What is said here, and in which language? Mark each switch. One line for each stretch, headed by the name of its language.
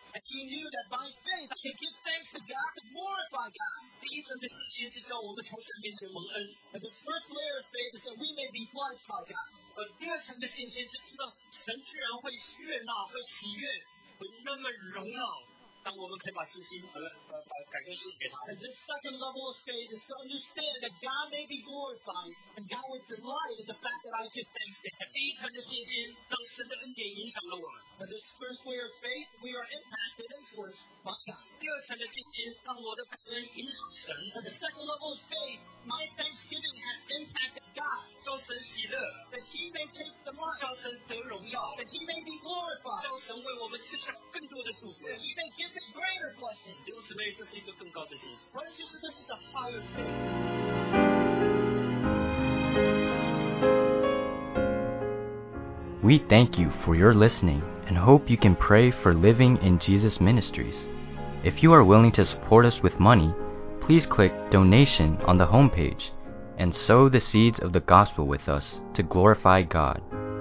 English: And he knew that by faith he can give thanks to God to glorify God.
Chinese: 第一层的信心是叫我们从神面前蒙恩。
English: And the first layer of faith is that we may be blessed by God.
Chinese: 第二层的信心是知道神居然会悦纳和喜悦，会那么荣耀，当我们可以把信心把感恩赐给他。
English: And this second level of faith is to understand that God may be glorified and God would delight in the fact that I give thanks to Him.
Chinese: 第一层的信心，当神的恩典影响了我们。
English: And this first layer of faith, we are impacted and influenced by God.
Chinese: 第二层的信心，当我的感恩影响神。
English: And the second level of faith, my thanksgiving has impacted God.
Chinese: 叫神喜乐。
English: That He may take the blessing.
Chinese: 叫神得荣耀。
English: That He may be glorified.
Chinese: 叫神为我们赐下更多的祝福。
English: That He may give me greater blessing.
Chinese: 弟兄姊妹，这是一个更高的信心。
English: Brothers and sisters, this is a higher faith. We thank you for your listening and hope you can pray for Living in Jesus Ministries. If you are willing to support us with money, please click donation on the homepage and sow the seeds of the gospel with us to glorify God.